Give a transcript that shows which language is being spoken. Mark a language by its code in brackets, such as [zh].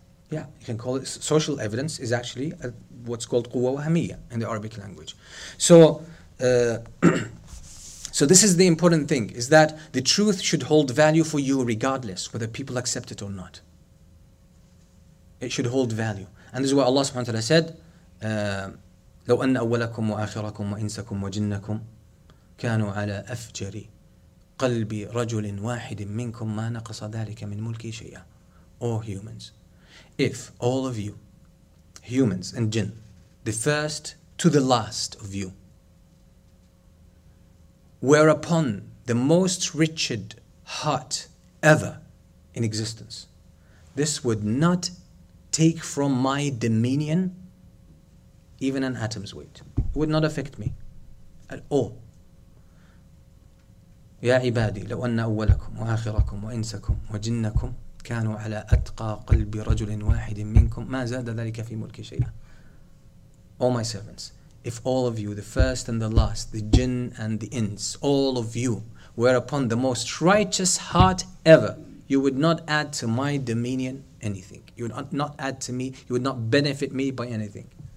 [en] Yeah, you can call it social evidence is actually what's called Quwa Wahamiyya in the Arabic language. So, so this is the important thing, is that the truth should hold value for you regardless whether people accept it or not. It should hold value. And this is what Allah subhanahu wa ta'ala said, [ar] لَوْ أَنَّ أَوَّلَكُمْ وَآخِرَكُمْ وَإِنْسَكُمْ وَجِنَّكُمْ كَانُوا عَلَىٰ أَفْجَرِ قَلْبِ رَجُلٍ وَاحِدٍ مِّنْكُمْ مَا نَقَصَ ذَلِكَ مِنْ مُلْكِ شَيْئًا. [en] All humans, if all of you, humans and jinn, the first to the last of you, were upon the most wretched heart ever in existence, this would not take from my dominion even an atom's weight. It would not affect me at all. [ar] يا عبادي لو أن أولكم وآخركم وإنسكم وجنكم كانوا على أتقى قلب رجل واحد منكم ما زاد ذلك في ملك شيئا. [en] All my servants, if all of you, the first and the last, the jinn and the ins, all of you, were upon the most righteous heart ever, you would not add to my dominion anything. You would not add to me, you would not benefit me by anything.